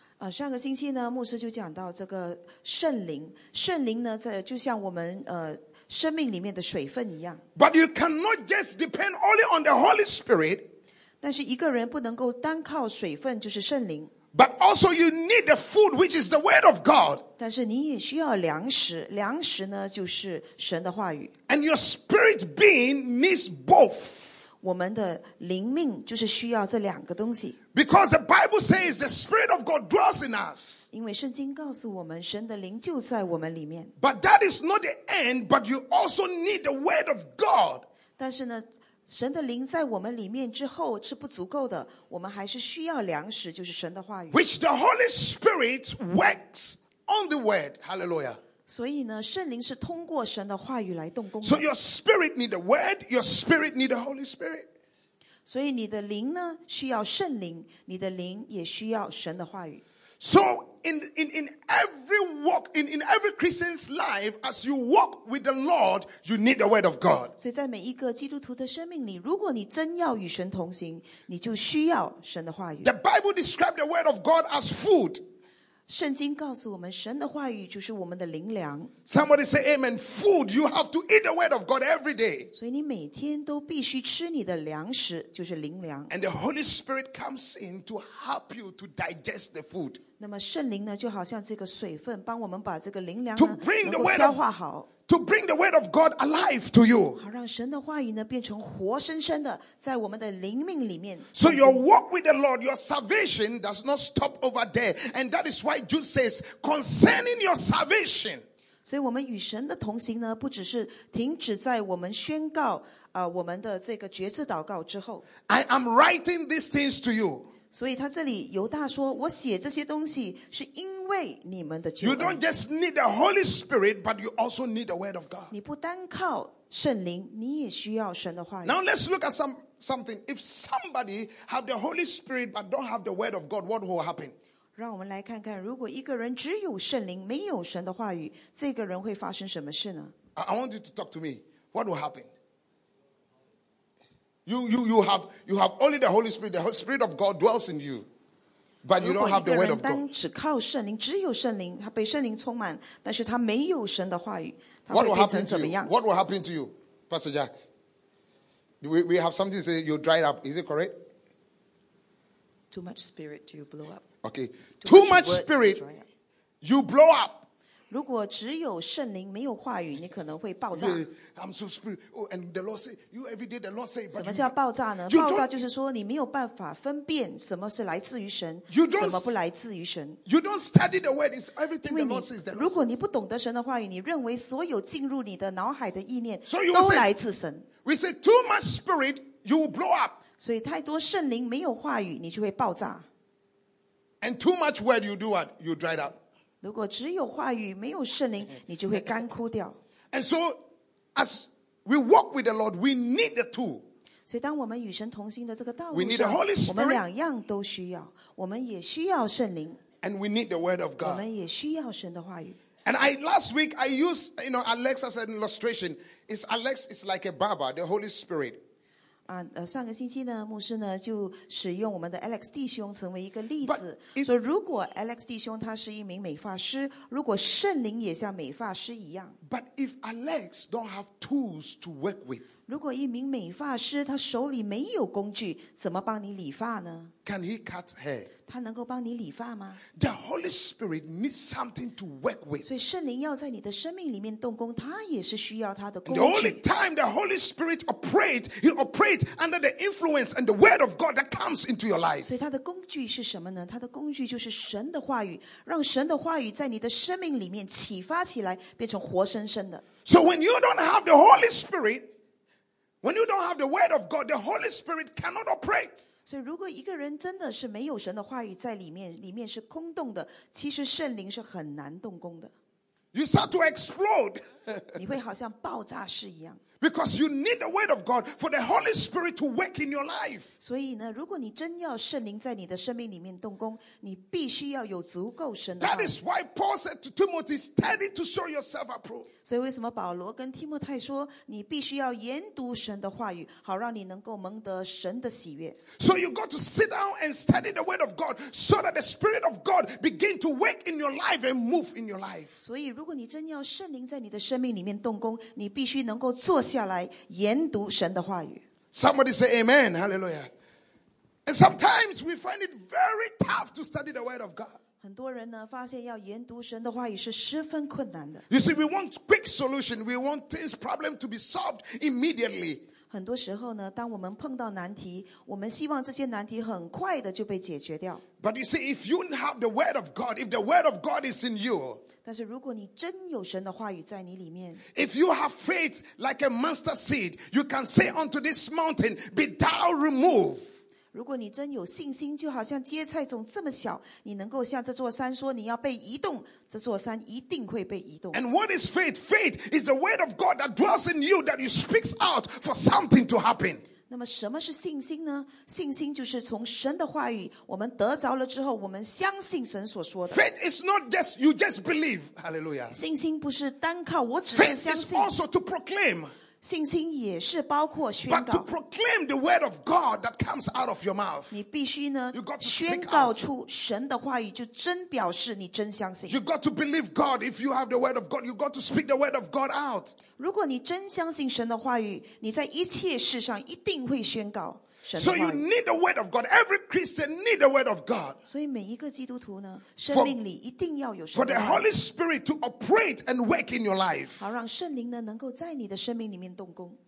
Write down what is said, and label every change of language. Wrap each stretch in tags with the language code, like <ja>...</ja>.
<zh>上个星期呢牧师就讲到这个圣灵，圣灵呢在就像我们生命里面的水分一样。</zh> <en>But you cannot just depend only on the Holy Spirit.</en> <zh>但是一个人不能够单靠水分，就是圣灵。</zh> <en>But also you need the food, which is the word of God.</en> <zh>但是你也需要粮食，粮食呢就是神的话语。</zh> <en>And your spirit being needs both.</en> <zh>我们的灵命就是需要这两个东西。</zh> <en>Because the Bible says the Spirit of God dwells in us.</en> <zh>因为圣经告诉我们，神的灵就在我们里面。</zh> <en>But that is not the end. But you also need the Word of God.</en> <zh>但是呢，神的灵在我们里面之后是不足够的，我们还是需要粮食，就是神的话语。</zh> <en>Which the Holy Spirit works on the Word. Hallelujah.</en> <zh>所以呢，圣灵是通过神的话语来动工的。</zh> <en>So your spirit need the word, your spirit need the Holy Spirit.</en> <zh>所以你的灵呢，需要圣灵，你的灵也需要神的话语。</zh> <en>So in every walk, in every Christian's life, as you walk with the Lord, you need the word of God.</en> <zh>所以在每一个基督徒的生命里，如果你真要与神同行，你就需要神的话语。</zh> <en>The Bible describes the word of God as food.</en> <zh>圣经告诉我们，神的话语就是我们的灵粮。</zh> <en>Somebody say amen. Food, you have to eat the word of God every day.</en> <zh>所以你每天都必须吃你的粮食，就是灵粮。</zh> <en>And the Holy Spirit comes in to help you to digest the food.</en> <zh>那么圣灵呢，就好像这个水分，帮我们把这个灵粮呢能够消化好。</zh> <en>To bring the word of God alive to you.</en> <zh>好让神的话语呢变成活生生的，在我们的灵命里面。</zh> <en>So your walk with the Lord, your salvation does not stop over there. And that is why Jude says, concerning your salvation.</en> <zh>所以我们与神的同行呢，不只是停止在我们宣告我们的这个决志祷告之后。</zh> <en>I am writing these things to you.</en> <zh>所以他这里犹大说，我写这些东西是因为你们的救恩。</zh> <en>You don't just need the Holy Spirit, but you also need the Word of God.</en> <zh>你不单靠圣灵，你也需要神的话语。</zh> <en>Now let's look at something. If somebody have the Holy Spirit but don't have the Word of God, what will happen?</en> <zh>让我们来看看，如果一个人只有圣灵，没有神的话语，这个人会发生什么事呢？</zh> <en>I want you to talk to me. What will happen? You have only the Holy Spirit. The Spirit of God dwells in you, but you don't have the Word of God.</en> <zh>如果一个人单只靠圣灵，只有圣灵，他被圣灵充满，但是他没有神的话语，他会变成怎么样？</zh> <en>What will happen to you, Pastor Jack? We have something to say. You dried up. Is it correct? Too much spirit, you blow up. Okay. Too much spirit, you blow up.</en> <zh>如果只有圣灵没有话语，你可能会爆炸。</zh> <en>I'm so spirit. Oh, and the Lord say, you every day the Lord say.</en> <zh>什么叫爆炸呢？爆炸就是说你没有办法分辨什么是来自于神，什么不来自于神。</zh> <en>You don't study the word. It's everything the Lord says.</en> <zh>如果你不懂得神的话语，你认为所有进入你的脑海的意念都来自神。</zh> <en>We say too much spirit, you will blow up.</en> <zh>所以太多圣灵没有话语，你就会爆炸。</zh> <en>And too much word, you do what? You dry up.</en> <zh>如果只有话语没有圣灵，你就会干枯掉。</zh> <en>And so, as we walk with the Lord, we need the two.</en> <zh>所以当我们与神同行的这个道路上，</zh> <en>we need the Holy Spirit,</en> <zh>我们两样都需要，我们也需要圣灵。</zh> <en>And we need the Word of God.</en> <zh>我们也需要神的话语。</zh> <en>And last week I used, you know, Alex as an illustration. It's Alex is like a barber, the Holy Spirit.</en> <zh>上个星期呢，牧师呢就使用我们的 Alex 弟兄成为一个例子，说如果 Alex 弟兄他是一名美发师，如果圣灵也像美发师一样。</zh> <en>But if Alex don't have tools to work with,</en> <zh>如果一名美发师他手里没有工具，怎么帮你理发呢？</zh> <en>Can he cut hair?</en> <zh>他能够帮你理发吗？</zh> <en>The Holy Spirit needs something to work with.</en> <zh>所以圣灵要在你的生命里面动工，他也是需要他的工具。</zh> <en>The only time the Holy Spirit operates, he operates under the influence and the word of God that comes into your life.</en> <zh>所以他的工具是什么呢？他的工具就是神的话语，让神的话语在你的生命里面启发起来，变成活生生的。</zh> <en>So when you don't have the Holy Spirit, when you don't have the word of God, the Holy Spirit cannot operate.</en> <zh>所以如果一个人真的是没有神的话语在里面，里面是空洞的，其实圣灵是很难动工的。</zh> <en>You start to explode.</en> <zh>你会好像爆炸式一样。</zh> <en>Because you need the word of God for the Holy Spirit to work in your life.</en> <zh>所以呢，如果你真要圣灵在你的生命里面动工，你必须要有足够神的话语。</zh> <en>That is why Paul said to Timothy, study to show yourself approved.</en> <zh>所以为什么保罗跟提摩太说，你必须要研读神的话语，好让你能够蒙得神的喜悦。</zh> <en>So you got to sit down and study the word of God so that the Spirit of God begin to work in your life and move in your life.</en> <zh>所以如果你真要圣灵在你的生命里面动工，你必须能够坐下来研读神的话语。</zh> <en>Somebody say amen, hallelujah. And sometimes we find it very tough to study the word of God.</en> <zh>很多人呢发现要研读神的话语是十分困难的。</zh> <en>You see, we want quick solution. We want this problem to be solved immediately.</en> <zh>很多时候呢，当我们碰到难题，我们希望这些难题很快的就被解决掉。</zh> <en>But you see, if you have the word of God, if the word of God is in you,</en> <zh>但是如果你真有神的话语在你里面，</zh> <en>If you have faith like a mustard seed, you can say unto this mountain, be thou removed.</en> <zh>如果你真有信心，就好像芥菜种这么小，你能够向这座山说你要被移动，这座山一定会被移动。</zh> <en>And what is faith? Faith is the word of God that dwells in you that you speaks out for something to happen.</en> <zh>那么什么是信心呢？信心就是从神的话语，我们得着了之后，我们相信神所说的。</zh> <en>Faith is not just you just believe. Hallelujah.</en> <zh>信心不是单靠我只是相信。</zh> <en>Faith is also to proclaim.</en> <zh>信心也是包括宣告。</zh> <en>But to proclaim the word of God that comes out of your mouth.</en> <zh>你必须呢，宣告出神的话语，就真表示你真相信。</zh> <en>You got to believe God. If you have the word of God, you got to speak the word of God out.</en> <zh>如果你真相信神的话语，你在一切事上一定会宣告神的话语。</zh> <en>So you need the word of God. Every Christian needs the word of God.</en> <zh>所以每一个基督徒呢，生命里一定要有神的话语。</zh> <en>For the Holy Spirit to operate and work in your life.</en> <zh>好让圣灵呢能够在你的生命里面动工。</zh>